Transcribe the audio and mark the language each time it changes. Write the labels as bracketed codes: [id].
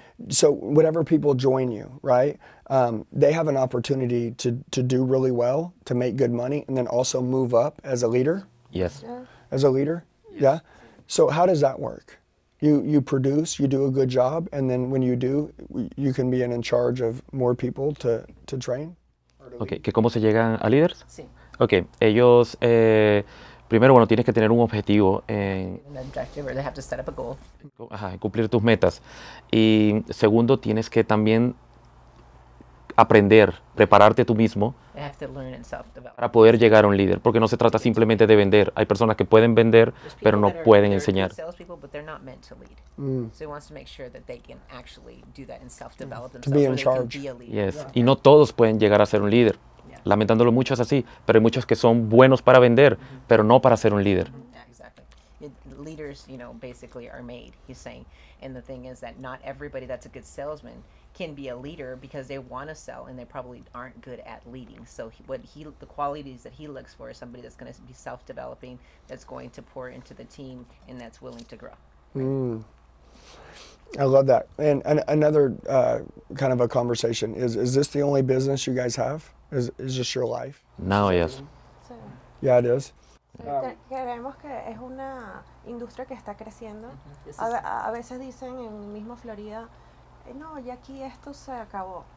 [en] So whenever people join you, right, they have an opportunity to do really well, to make good money, and then also move up as a leader? Yes. Yeah. As a leader? Yes. Yeah. So how does that work? You produce, you do a good job, and then when you do, you can be in charge of more people to train? [es] Okay, ¿que cómo se llegan a líderes? Sí. Okay, ellos, primero, bueno, tienes que tener un objetivo en... [en] An objective, or they have to set up a goal. [es] Ajá, en cumplir tus metas. Y segundo, tienes que también aprender, prepararte tú mismo. [en] They have to learn and self-develop. [es] Para poder llegar a un líder, porque no se trata simplemente de vender. Hay personas que pueden vender, pero no pueden enseñar. [en] There's people that are good salespeople, but they're not meant to lead. Mm. So he wants to make sure that they can actually do that and self-develop themselves. To be in charge. They can be a leader. Yes. [es] Yeah. Y no todos pueden llegar a ser un líder. [en] Yeah. [es] Lamentándolo mucho es así, pero hay muchos que son buenos para vender, mm-hmm. pero no para ser un líder. [en] Yeah, exactly. Leaders, you know, basically are made, he's saying. And the thing is that not everybody that's a good salesman can be a leader, because they want to sell and they probably aren't good at leading. So the qualities that he looks for is somebody that's going to be self-developing, that's going to pour into the team, and that's willing to grow. Right? Mm. I love that. And another kind of a conversation is this the only business you guys have? Is this your life? No, yes. So, yeah, it is. [es] Creemos que es una industria que está creciendo. A veces dicen en mismo Florida, no, ya aquí esto se acabó.